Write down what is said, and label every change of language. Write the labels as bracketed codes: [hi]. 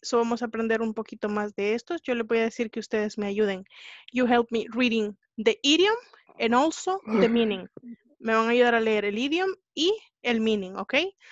[es] So vamos a aprender un poquito más de estos. Yo les voy a decir que ustedes me ayuden. [en] You help me reading the idiom and also the meaning. [es] Me van a ayudar a leer el idiom y el meaning, okay?